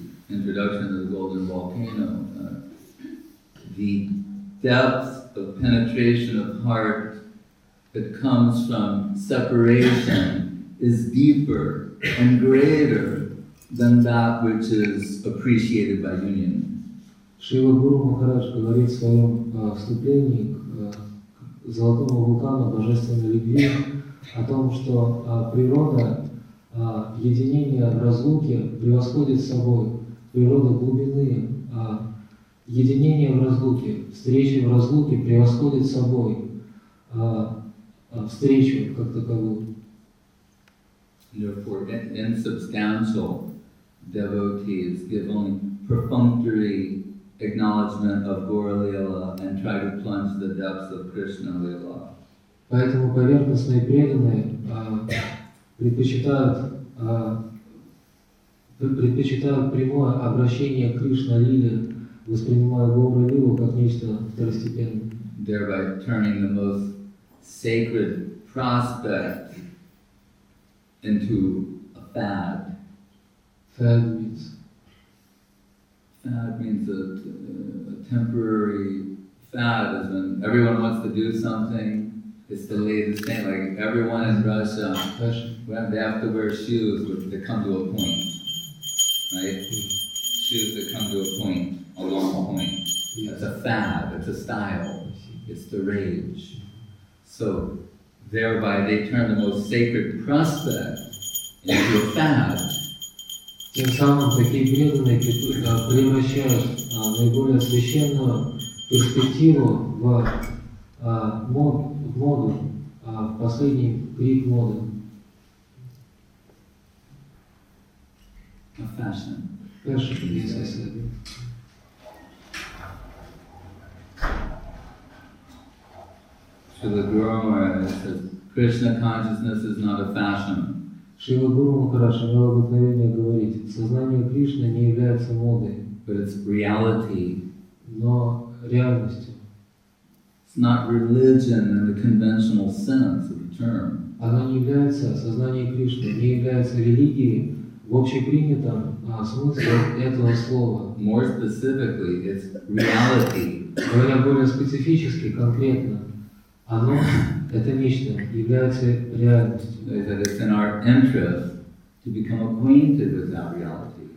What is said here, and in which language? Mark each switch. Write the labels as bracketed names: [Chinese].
[English] Introduction of the Golden Volcano, the depth of penetration of heart that comes from separation is deeper and greater than that which is appreciated by union. [Russian] Шрила Гуру Махарадж говорит в своем вступлении к Золотому Вулкану Божественной Любви о том, что природа единения в разлуке превосходит собой природа глубины, единение в разлуке, встреча в разлуке превосходит собой встречу как таковую. [English] Therefore, insubstantial devotees give only perfunctory acknowledgement of Gaura Lila and try to plunge the depths of Krishna Lila. [Russian] Поэтому поверхностные преданные предпочитают предпочитают прямое обращение к Кришна Лиле, воспринимая Гаура Лилу как нечто второстепенное. [English] Thereby turning the most sacred prospect into a fad. Fad means a temporary sad is when everyone wants to do something, it's the latest thing. Like everyone in Russia, when they have to wear shoes, they come to a point, right? Shoes that come to a point, a long point. It's a fad, it's a style, it's the rage. So thereby they turn the most sacred prospect into a fad. [Russian] Тем самым такие преданные превращают наиболее священную перспективу в моду, в последний крик моды. [English] A fashion. Fashion, yes, I said. So the Guru Maharaj says, Krishna consciousness is not a fashion. [Russian] Шрила Гуру Махарадж имел обыкновение говорить, сознание Кришны не является модой, [English] but it's reality. [Russian] Но реальностью. [English] It's not religion in the conventional sense of the term. [Russian] Оно не является, сознание Кришны не является религией в общепринятом смысле этого слова. [English] More specifically, it's reality. [Russian] Говоря более специфически, конкретно, оно, это нечто, является реальностью. [English] That it's in our interest to become acquainted with that reality.